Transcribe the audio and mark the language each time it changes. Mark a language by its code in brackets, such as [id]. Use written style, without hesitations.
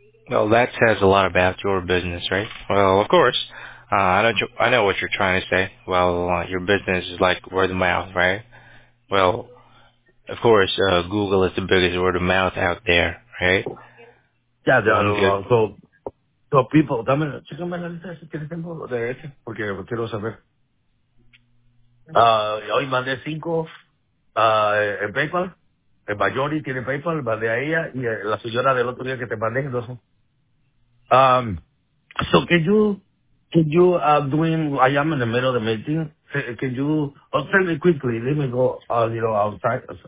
[en] Well, that says a lot about your business, right? Well, of course. I know what you're trying to say. Well, your business is like word of mouth, right? Well, of course, Google is the biggest word of mouth out there, right? Yeah, so people, [es] dame, chécame la lista si tienes tiempo de este, porque quiero saber. Hoy mandé 5 en PayPal, el mayor tiene PayPal, mandé a ella y la señora del otro día que te mandé, ¿no? [en] So I am in the middle of the meeting. Can you, tell me quickly, let me go, outside.